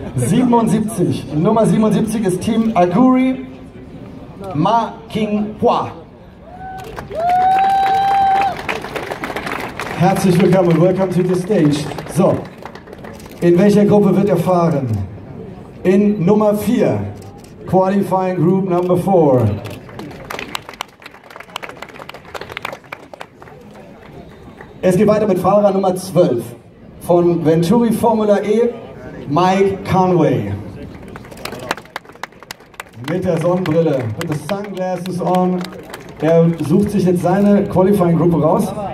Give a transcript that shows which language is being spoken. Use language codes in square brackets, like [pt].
[de] 77. Nummer 77 ist Team Aguri Ma King Hua. Herzlich willkommen. [en] Welcome to the stage. [de] So, in welcher Gruppe wird er fahren? In Nummer 4. [en] Qualifying Group Number 4. [de] Es geht weiter mit Fahrer Nummer 12 von Venturi Formula E, Mike Conway. Mit der Sonnenbrille, mit den [en] Sunglasses on. [de] Er sucht sich jetzt seine Qualifying-Gruppe raus.